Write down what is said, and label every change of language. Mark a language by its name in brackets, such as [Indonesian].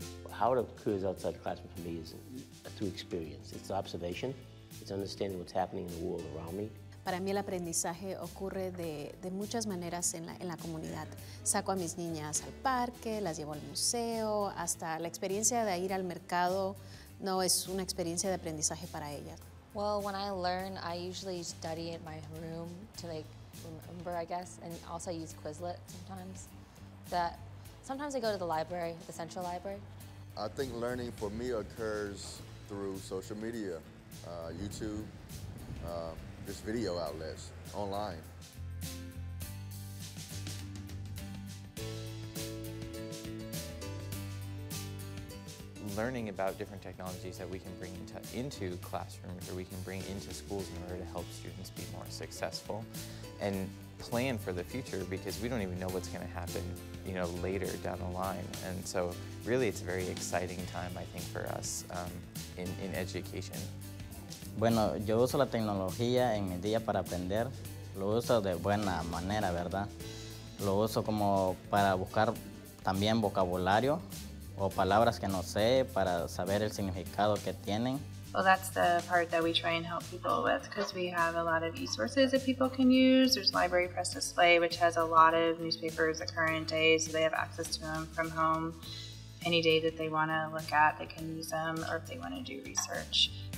[English] How it occurs outside the classroom for me is through experience. It's observation. It's understanding what's happening in the world around me. [Spanish] Para mí el aprendizaje ocurre de muchas maneras en la comunidad. Saco a mis niñas al parque, las llevo al museo, hasta la experiencia de ir al mercado no es una experiencia de aprendizaje para ellas. [English] Well, when I learn, I usually study in my room to like remember, I guess, and also use Quizlet sometimes. Sometimes I go to the library, the central library. I think learning for me occurs through social media, YouTube, just video outlets, online. learning about different technologies that we can bring into classrooms or we can bring into schools in order to help students be more successful and plan for the future, because we don't even know what's going to happen, you know, later down the line. And so really it's a very exciting time, I think, for us in education. [Spanish] Bueno, yo uso la tecnología en mi día para aprender. Lo uso de buena manera, ¿verdad? Lo uso como para buscar también vocabulario o palabras que no sé para saber el significado que tienen. [English] Well, that's the part that we try and help people with, because we have a lot of e-sources that people can use. There's Library Press Display, which has a lot of newspapers the current day, so they have access to them from home any day that they want to look at. They can use them, or if they want to do research.